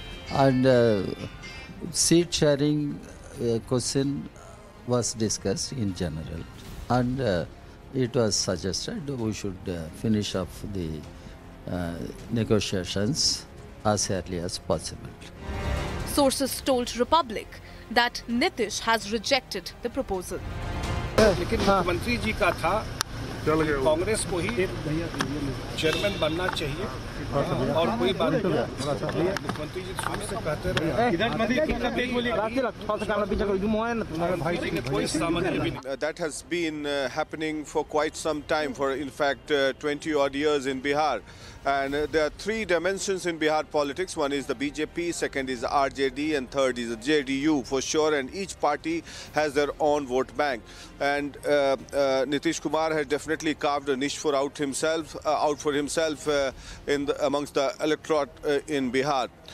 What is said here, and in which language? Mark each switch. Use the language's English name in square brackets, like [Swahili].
[English] And seat sharing question was discussed in general, and it was suggested we should finish off the negotiations as early as possible. Sources told Republic that Nitish has rejected the proposal. [Hindi] Congress को ही chairman बनना चाहिए और कोई बात नहीं मुख्यमंत्री जी [English] That has been happening for quite some time for in fact 20 odd years in Bihar. And there are three dimensions in Bihar politics. One is the BJP, second is RJD, and third is the JDU for sure. And each party has their own vote bank. And Nitish Kumar has definitely carved a niche for himself amongst the electorate in Bihar.